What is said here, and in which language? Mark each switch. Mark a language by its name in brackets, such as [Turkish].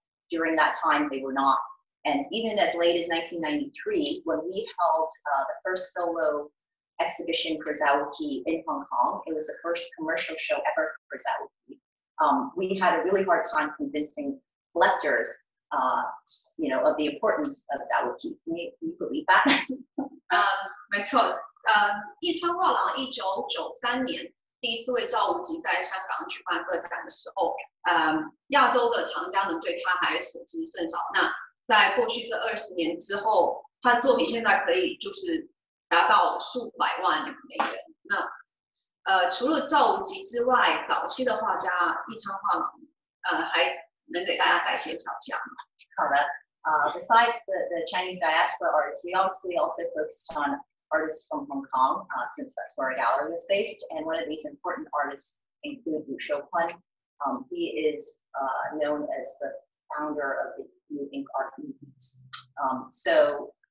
[English] During that time, they were not. And even as late as 1993, when we held the first solo exhibition for Zhao Wuji in Hong Kong, it was the first commercial show ever for Zhao Wuji. We had a really hard time convincing collectors of the importance of Zhao Wuji. Can you believe that? [Chinese] 没错，艺昌画廊1993年第一次为赵无极在香港举办个展的时候，亚洲的藏家们对他还所知甚少。那在过去这20年之后，他的作品现在可以就是达到数百万美元。那除了赵无极之外，早期的画家易昌画廊，还能给大家再介绍一下吗？好的。 [English] Besides the Chinese diaspora artists, we obviously also focused on artists from Hong Kong, since that's where our gallery is based. And one of these important artists include Wu Shouquan. He is known as the founder of the New Ink Art Movement.